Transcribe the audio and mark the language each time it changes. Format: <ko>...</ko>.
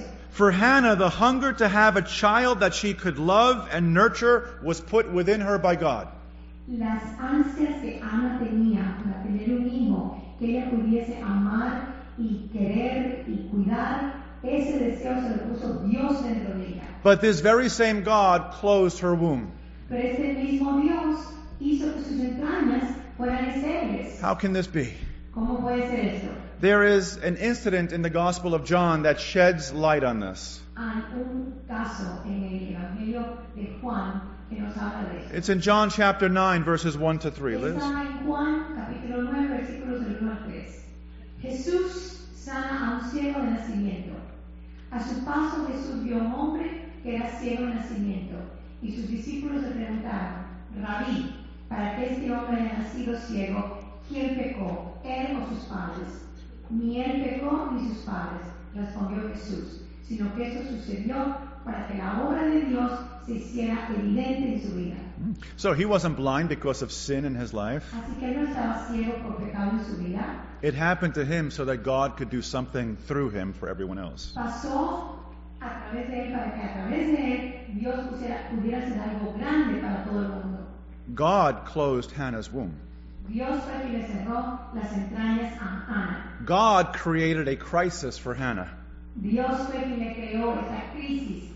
<en>For Hannah, the hunger to have a child that she could love and nurture was put within her by God.</en> <es>Las ansias que Ana tenía para tener un hijo que ella pudiese amar y querer y cuidar, ese deseo se lo puso Dios dentro de ella.</es> <en>But this very same God closed her womb.</en> <es>Pero ese mismo Dios hizo que sus entrañas fueran estériles.</es> <en>How can this be?</en> <es>¿Cómo puede ser eso?</es> <en>There is an incident in the Gospel of John that sheds light on this.</en> <es>Hay un caso en el Evangelio de Juan.</es> <en>It's in John chapter 9, verses 1 to 3. Liz?</en> <es>Está en Juan, capítulo 9, versículos del 1 al 3. Jesús sana a un ciego de nacimiento. A su paso Jesús vio a un hombre que era ciego de nacimiento. Y sus discípulos le preguntaron, "Rabí, ¿para qué este hombre haya nacido ciego? ¿Quién pecó, él o sus padres?" "Ni él pecó ni sus padres," respondió Jesús, "sino que esto sucedió para que la obra de Dios se hiciera evidente en su vida."</es> <en>So he wasn't blind because of sin in his life.</en> <es>Así que él no estaba ciego por pecado en su vida.</es> <en>It happened to him so that God could do something through him for everyone else.</en> <es>Pasó a través de él para que a través de él Dios pudiera hacer algo grande para todo el mundo.</es> <en>God closed Hannah's womb.</en> <es>Dios fue quien le cerró las entrañas a Hannah.</es> <en>God created a crisis for Hannah.</en> <es>Dios fue quien le creó esa crisis.</es>